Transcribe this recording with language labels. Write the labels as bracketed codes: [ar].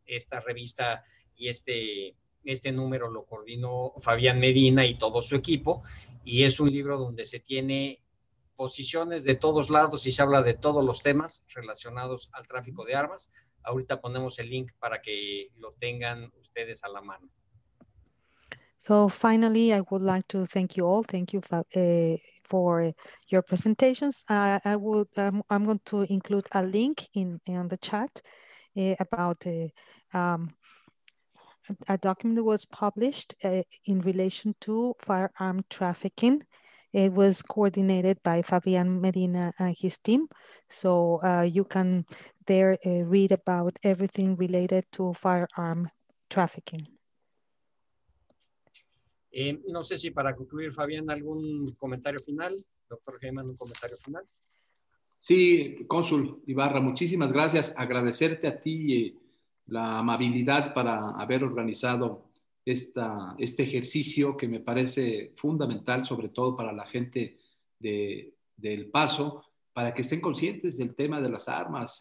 [es] Esta revista y este número lo coordinó Fabián Medina y todo su equipo, y es un libro donde se tiene posiciones de todos lados y se habla de todos los temas relacionados al tráfico de armas. Ahorita ponemos el link para que lo tengan ustedes a la mano. [en] So finally, I would like to thank you all. Thank you, for your presentations. I'm going to include a link in the chat about a document that was published in relation to firearm trafficking. It was coordinated by Fabian Medina and his team. So you can there read about everything related to firearm trafficking. [es] No sé si para concluir, Fabián, algún comentario final. Doctor Heyman, un comentario final. Sí, cónsul Ibarra, muchísimas gracias. Agradecerte a ti la amabilidad para haber organizado este ejercicio que me parece fundamental, sobre todo para la gente del Paso, para que estén conscientes del tema de las armas.